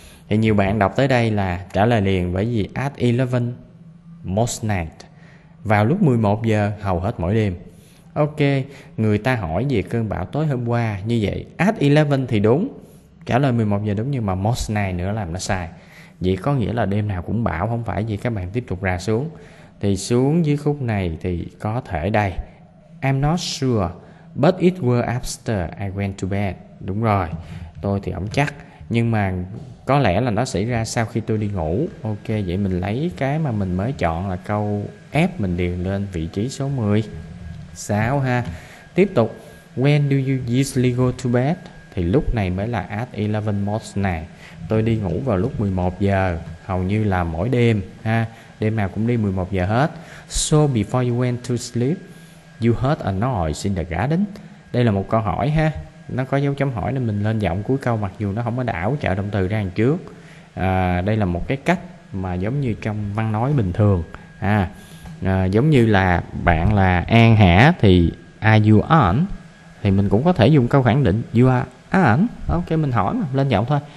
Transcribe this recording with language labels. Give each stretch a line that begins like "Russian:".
Vietnamese: Thì nhiều bạn đọc tới đây là trả lời liền, bởi vì
English: at 11 most night,
Vietnamese: vào lúc 11 giờ hầu hết mỗi đêm. Ok, người ta hỏi về cơn bão tối hôm qua, như vậy at 11 thì đúng, trả lời 11 giờ đúng, nhưng mà
English: most night
Vietnamese: nữa làm nó sai. Vậy có nghĩa là đêm nào cũng bão không phải gì. Các bạn tiếp tục ra xuống. Thì xuống dưới khúc này thì có thể đây.
English: I'm not sure, but it was after I went to bed.
Vietnamese: Đúng rồi, tôi thì không chắc, nhưng mà có lẽ là nó xảy ra sau khi tôi đi ngủ. Ok, vậy mình lấy cái mà mình mới chọn là câu F, mình điền lên vị trí số 10. 6 ha. Tiếp tục.
English: When do you usually go to bed?
Vietnamese: Thì lúc này mới là
English: at 11 most này.
Vietnamese: Tôi đi ngủ vào lúc 11 giờ, hầu như là mỗi đêm ha. Đêm nào cũng đi 11 giờ hết.
English: So before you went to sleep, you heard a noise in the garden.
Vietnamese: Đây là một câu hỏi ha. Nó có dấu chấm hỏi nên mình lên giọng cuối câu, mặc dù nó không có đảo trợ động từ ra đằng trước. Đây là một cái cách mà giống như trong văn nói bình thường. Giống như là bạn là An hả, thì
English: are you on?
Vietnamese: Thì mình cũng có thể dùng câu khẳng định
English: you are on.
Vietnamese: Ok, mình hỏi mà, lên giọng thôi.